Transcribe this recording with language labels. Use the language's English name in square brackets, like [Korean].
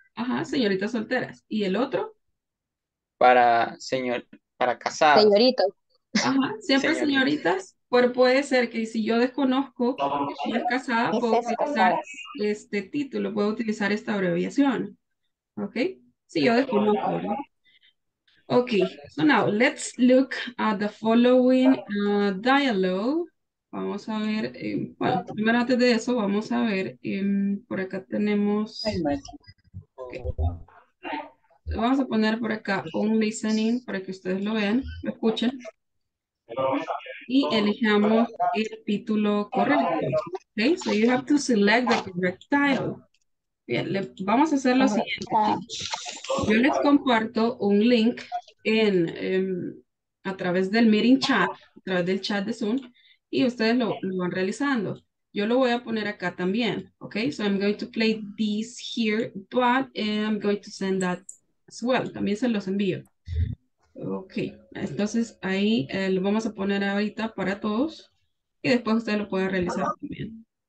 [Spanish] Ajá, señoritas solteras. ¿Y el otro? Para señor, para casado. Señorito. Ajá, siempre señoritas, pero puede ser que si yo desconozco que soy casada, puedo utilizar este título, puedo utilizar esta abreviación. ¿Ok? Si yo desconozco, ¿no? [English] Ok, so now let's look at the following dialogue. [Spanish] Vamos a ver, bueno, primero antes de eso, vamos a ver, por acá tenemos. Okay. Vamos a poner por acá un listening para que ustedes lo vean, lo escuchen. Y elijamos el título correcto. [English] Ok, so you have to select the correct title. [Spanish] Bien, vamos a hacer lo siguiente. Yo les comparto un link en a través del meeting chat, a través del chat de Zoom, y ustedes lo van realizando. Yo lo voy a poner acá también, ¿ok? [English] So I'm going to play this here, but I'm going to send that as well. [Spanish] También se los envío. Ok, entonces ahí lo vamos a poner ahorita para todos y después ustedes lo pueden realizar también.